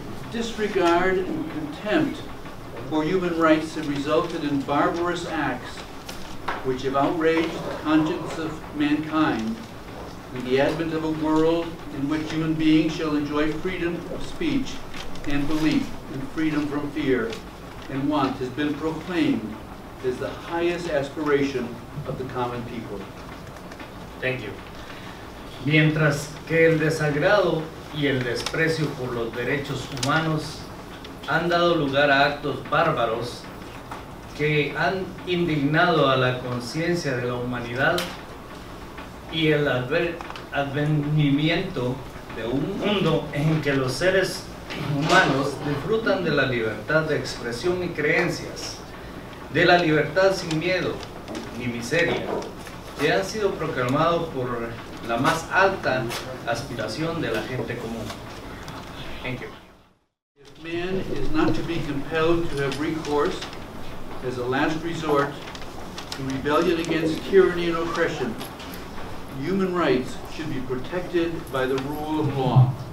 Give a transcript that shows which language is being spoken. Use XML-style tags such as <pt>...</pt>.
<en>Disregard and contempt for human rights have resulted in barbarous acts which have outraged the conscience of mankind and the advent of a world in which human beings shall enjoy freedom of speech and belief and freedom from fear and want has been proclaimed as the highest aspiration of the common people. Thank you.</en> <es>Mientras que el desagrado y el desprecio por los derechos humanos han dado lugar a actos bárbaros que han indignado a la conciencia de la humanidad y el advenimiento de un mundo en que los seres humanos disfrutan de la libertad de expresión y creencias, de la libertad sin miedo ni miseria, que ha sido proclamado por la más alta aspiración de la gente común.</es> <en>Thank you. If man is not to be compelled to have recourse as a last resort to rebellion against tyranny and oppression, human rights should be protected by the rule of law.</en>